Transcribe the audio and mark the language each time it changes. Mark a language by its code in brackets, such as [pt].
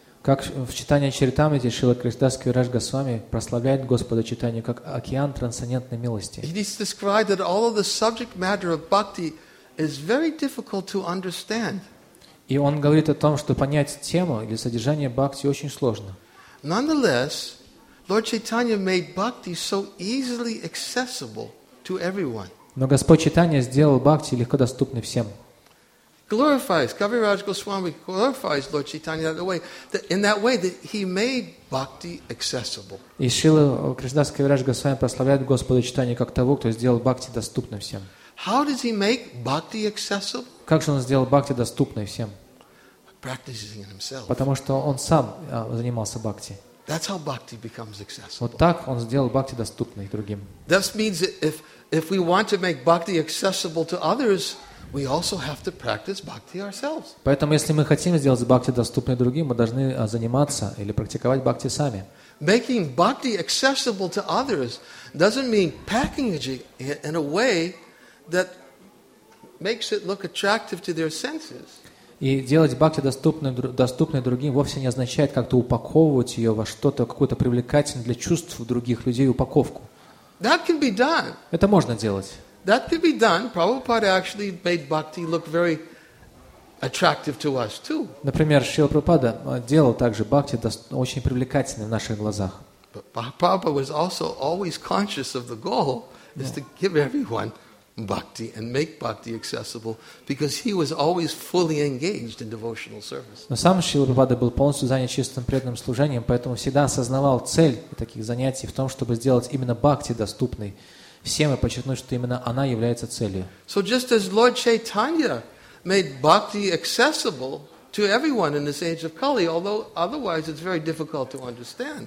[ru] Как в читании Чаритамрите Шрила Кришнадас Кавираджа Госвами прославляет Господа читания как океан трансцендентной милости. [en] He described that all of the subject matter of bhakti is very difficult to understand. [ru] И он говорит о том, что понять тему или содержание бхакти очень сложно. [en] Nonetheless, Lord Chaitanya made bhakti so easily accessible to everyone. [ru] Но Господь Читания сделал бхакти легко доступной всем. [en] Glorifies Kaviraj Goswami glorifies Lord Chaitanya in that way that he made bhakti accessible. [ru] И Шрила Кришнадас Кавираджа Госвами прославляет Господа Читания как того, кто сделал бхакти доступным всем. [en] How does he make bhakti accessible? [ru] Как же он сделал бхакти доступной всем? [en] Practicing it himself. [ru] Потому что он сам занимался бхакти. [en] That's how bhakti becomes accessible. [ru] Вот так он сделал бхакти доступной другим. [en] This means if we want to make bhakti accessible to others, we also have to practice bhakti ourselves. [ru] Поэтому, если мы хотим сделать бхакти доступной другим, мы должны заниматься или практиковать бхакти сами. [en] Making bhakti accessible to others doesn't mean packaging it in a way that makes it look attractive to their senses. [ru] И делать бхакти доступной другим вовсе не означает как-то упаковывать ее во что-то, какую-то привлекательную для чувств других людей упаковку. [en] That can be done. [ru] Это можно делать. [en] That could be done. Prabhupada actually made bhakti look very attractive to us too. [ru] Например, Шрила Прабхупада делал также бхакти очень привлекательной в наших глазах. [en] But Prabhupada was also always conscious of the goal is to give everyone bhakti and make bhakti accessible because he was always fully engaged in devotional service. [ru] Но сам Шрила Прабхупада был полностью занят чистым преданным служением, поэтому всегда осознавал цель таких занятий в том, чтобы сделать именно бхакти доступной всем и подчеркнуть, что именно она является целью. [en] So just as Lord Chaitanya made bhakti accessible to everyone in this age of Kali, although otherwise it's very difficult to understand.